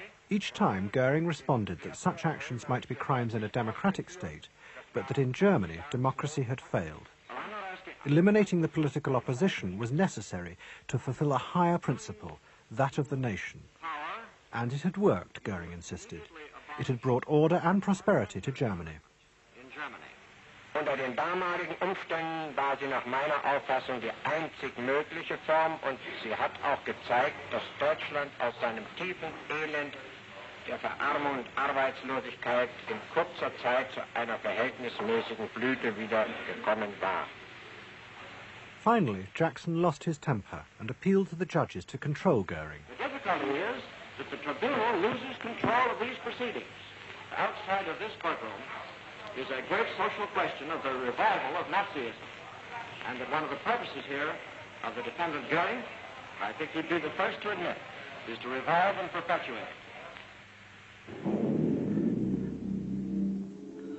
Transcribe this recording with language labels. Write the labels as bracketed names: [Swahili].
[English] Each time, Göring responded that such actions might be crimes in a democratic state, but that in Germany, democracy had failed. Eliminating the political opposition was necessary to fulfill a higher principle, that of the nation. And it had worked, Göring insisted. It had brought order and prosperity to Germany. [German] Unter den damaligen Umständen war sie nach meiner Auffassung die einzig mögliche Form und sie hat auch gezeigt, dass Deutschland aus seinem tiefen Elend der Verarmung und Arbeitslosigkeit in kurzer Zeit zu einer verhältnismäßigen Blüte wieder gekommen war. [English] Finally, Jackson lost his temper and appealed to the judges to control Göring. The difficulty is that the tribunal loses control of these proceedings. Outside of this courtroom is a great social question of the revival of Nazism, and that one of the purposes here of the defendant Göring, I think he'd be the first to admit, is to revive and perpetuate it.